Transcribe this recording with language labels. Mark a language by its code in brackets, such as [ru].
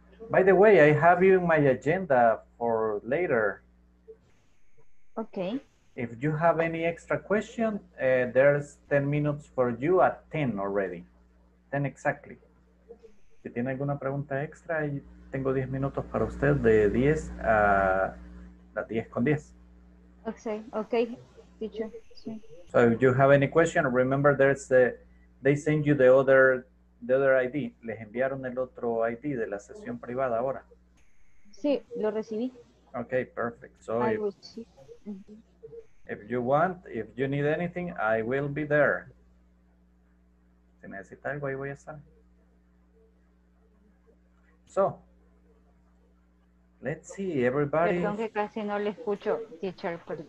[en] By the way, I have you in my agenda for later. Okay. If you have any extra question, there's 10 minutes for you at 10 already. Then exactly. [es] Si tiene alguna pregunta extra, tengo 10 minutos para usted de 10 a las 10 con 10. [en] Okay, okay, teacher. Sí. So if you have any question, remember there's a, they send you the other ID. [es] Les enviaron el otro ID de la sesión privada ahora. Sí, lo recibí. [en] Okay, perfect. So I if you want, if you need anything, I will be there. [es] Si necesita algo, ahí voy a estar. [en] So, let's see, everybody. [es] Perdón que casi no le escucho, teacher.